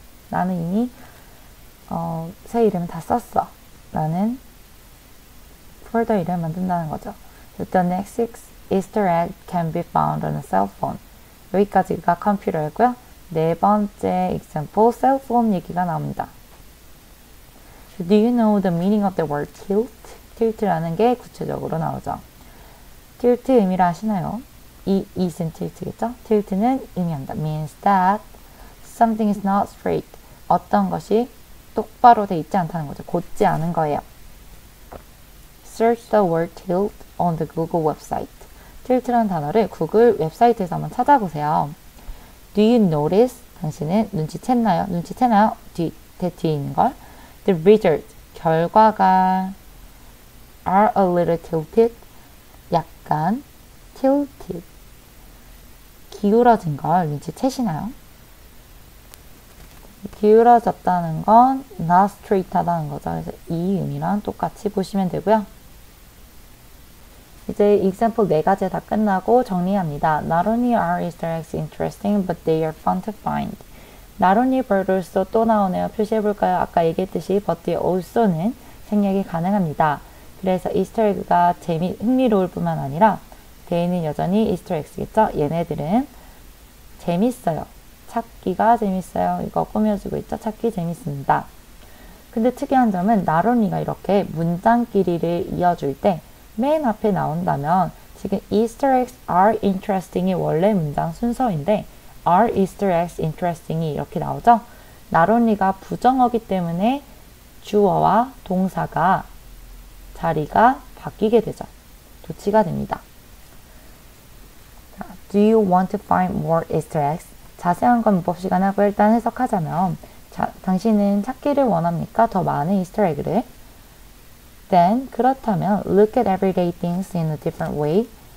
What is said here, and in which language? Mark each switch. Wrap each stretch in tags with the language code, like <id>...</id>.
<ko>나는 이미 새 이름 다 썼어. 라는 폴더 이름을 만든다는 거죠.</ko> <en>The next six Easter egg can be found on a cell phone.</en> <ko>여기까지가 컴퓨터였고요. 네 번째 example, cell phone 얘기가 나옵니다.</ko> <en>Do you know the meaning of the word tilt?</en> <ko>Tilt라는 게 구체적으로 나오죠. Tilt 의미를 아시나요? is는 tilt겠죠? Tilt는 의미한다.</ko> <en>Means that something is not straight.</en> <ko>어떤 것이 똑바로 돼 있지 않다는 거죠. 곧지 않은 거예요.</ko> <en>Search the word tilt on the Google website.</en> <ko>Tilt라는 단어를 구글 웹사이트에서 한번 찾아보세요.</ko> <en>Do you notice?</en> <ko>당신은 눈치챘나요? 눈치채나요? 뒤에 있는 걸.</ko> <en>The results,</en> <ko>결과가</ko> <en>are a little tilted.</en> <ko>약간 tilted. 기울어진 걸 눈치채시나요? 기울어졌다는 건</ko> <en>not straight하다는</en> <ko>거죠. 그래서 이 의미랑 똑같이 보시면 되고요. 이제 example 네 가지 다 끝나고 정리합니다.</ko> <en>Not only are Easter eggs interesting, but they are fun to find.</en> <ko>Not only but로서 또 나오네요. 표시해볼까요? 아까 얘기했듯이 but also는 생략이 가능합니다. 그래서 Easter egg가 흥미로울 뿐만 아니라 they는 여전히 Easter eggs겠죠? 얘네들은 재밌어요. 찾기가 재밌어요. 이거 꾸며주고 있죠? 찾기 재밌습니다. 근데 특이한 점은 not only가 이렇게 문장끼리를 이어줄 때맨 앞에 나온다면 지금</ko> <en>Easter eggs are interesting</en> <ko>이 원래 문장 순서인데</ko> <en>are Easter eggs interesting</en> <ko>이 이렇게 나오죠? not only가 부정어기 때문에 주어와 동사가 자리가 바뀌게 되죠. 도치가 됩니다.</ko> <en>Do you want to find more Easter eggs?</en> <ko>자세한 건 문법 시간 하고 일단 해석하자면 당신은 찾기를 원합니까? 더 많은 Easter egg를?</ko> <en>Then,</en> <ko>그렇다면,</ko> <en>look at everyday things in a different way.</en>